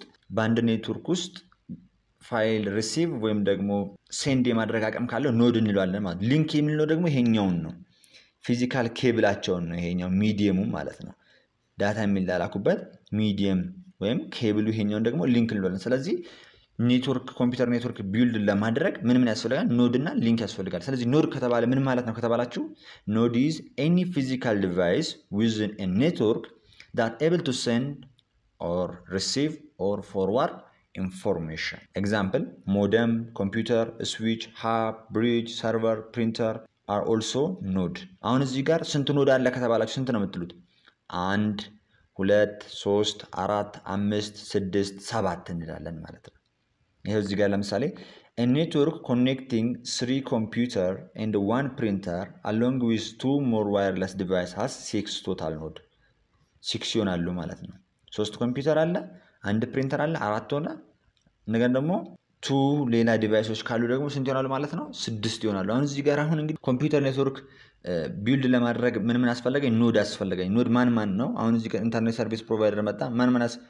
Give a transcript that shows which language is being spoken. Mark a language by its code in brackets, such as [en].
[am] በአንድ ኔትወርክ ውስጥ ፋይል ሪሲቭ ወይም ደግሞ ሴንድ የማድረግ አቅም ካለው ኖድ እንለዋለን ማለት። ሊንክ የምንለው ደግሞ ይሄኛውን ነው፣ ፊዚካል ኬብላቸውን ነው። ይሄኛው ሚዲየሙ ማለት ነው፣ ዳታ የሚላላኩበት ሚዲየም ወይም ኬብሉ። ይሄኛውን ደግሞ ሊንክ እንለዋለን። ስለዚህ ኔትወርክ ኮምፒውተር ኔትወርክ ቢልድ ለማድረግ ምን ምን ያስፈልጋል? ኖድ እና ሊንክ ያስፈልጋል። ስለዚህ ኖድ ከተባለ ምን ማለት ነው ከተባላችሁ፣ [en] ኖድ ኢዝ ኤኒ ፊዚካል ዲቫይስ ዊዝን ኤ ኔትወርክ ዳት ኤብል ቱ ሴንድ ኦር ሪሲቭ ኦር ፎርዋርድ information. Example, modem, computer, switch, hub, bridge, server, printer are also node. [am] አሁን እዚህ ጋር ስንት ኖድ አለ ከተባላችሁ ስንት ነው የምትሉት? 1 2 3 4 5 6 7 እንላለን ማለት ነው። ይሄ እዚህ ጋር ለምሳሌ [en] a network connecting 3 computer and 1 printer along with 2 more wireless devices has 6 total node. [am] 6 ይሆናሉ ማለት ነው። 3 ኮምፒውተር አለ፣ አንድ ፕሪንተር አለ፣ አራት ሆነ። እንደገና ደግሞ ቱ ሌላ ዲቫይሶች ካሉ ደግሞ ስንት ይሆናሉ ማለት ነው? 6 ይሆናሉ። አሁን እዚህ ጋር አሁን እንግዲህ ኮምፒውተር ኔትወርክ ቢልድ ለማድረግ ምን ምን አስፈልገኝ? ኖድ አስፈልገኝ። ኖድ ማን ማን ነው? አሁን እዚህ ጋር ኢንተርኔት ሰርቪስ ፕሮቫይደር መጣ። ማን ማን?